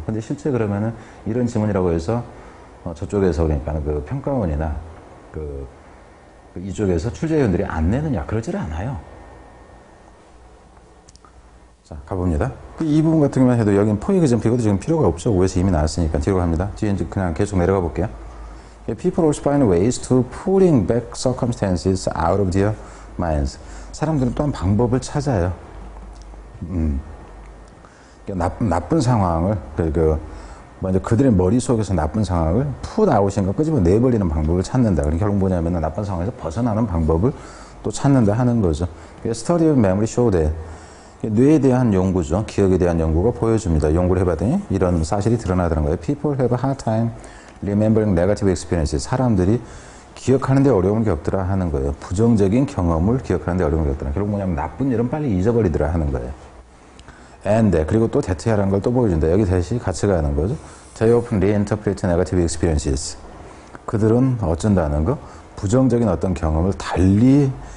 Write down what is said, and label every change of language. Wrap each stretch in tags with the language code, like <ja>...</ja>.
<ko>그런데 실제 그러면은 이런 지문이라고 해서 저쪽에서 그러니까 그 평가원이나 그 이쪽에서 출제위원들이 안 내느냐 그러질 않아요. 자, 가봅니다. 이 부분 같은 경우만 해도 여긴 포익 이전피고도 지금 필요가 없죠. 위에서 이미 나왔으니까 뒤로 갑니다. 뒤에 이제 그냥 계속 내려가 볼게요.</ko> <en>People also find ways to pulling back circumstances out of their minds.</en> <ko>사람들은 또한 방법을 찾아요. 나쁜 상황을, 먼저 그들의 머릿속에서 나쁜 상황을 put out인 것 끄집어 내버리는 방법을 찾는다. 그럼 결국 뭐냐면 나쁜 상황에서 벗어나는 방법을 또 찾는다 하는 거죠.</ko> <en>Study of memory show that.</en> <ko>뇌에 대한 연구죠. 기억에 대한 연구가 보여줍니다. 연구를 해봤더니 이런 사실이 드러나는 거예요.</ko> <en>People have a hard time remembering negative experiences.</en> <ko>사람들이 기억하는데 어려움을 겪더라 하는 거예요. 부정적인 경험을 기억하는데 어려움을 겪더라. 결국 뭐냐면 나쁜 일은 빨리 잊어버리더라 하는 거예요. And, 그리고 또 대체하라는 걸 또 보여준다. 여기 대시 같이 가는 거죠.</ko> <en>They often reinterpret negative experiences.</en> <ko>그들은 어쩐다는 거? 부정적인 어떤 경험을 달리</ko>